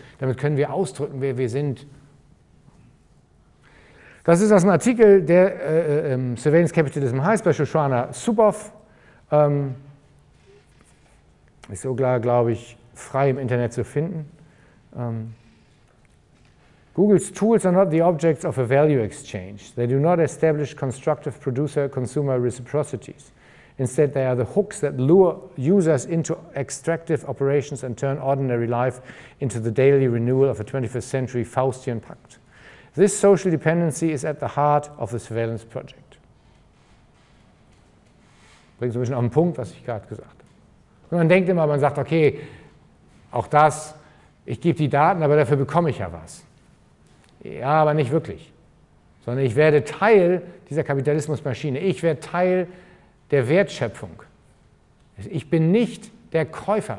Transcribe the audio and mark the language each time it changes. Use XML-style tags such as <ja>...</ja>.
<de>Damit können wir ausdrücken, wer wir sind. Das ist aus einem Artikel, der Surveillance Capitalism heißt, bei Shoshana Zuboff. Ist so klar, glaube ich, frei im Internet zu finden.</de> <en>Google's tools are not the objects of a value exchange. They do not establish constructive producer-consumer reciprocities. Instead, they are the hooks that lure users into extractive operations and turn ordinary life into the daily renewal of a 21st century Faustian pact. This social dependency is at the heart of the surveillance project.</en> <de>Bringt so ein bisschen auf den Punkt, was ich gerade gesagt habe. Und man denkt immer, man sagt, okay, auch das, ich gebe die Daten, aber dafür bekomme ich ja was. Ja, aber nicht wirklich. Sondern ich werde Teil dieser Kapitalismusmaschine. Ich werde Teil der Wertschöpfung. Ich bin nicht der Käufer.</de>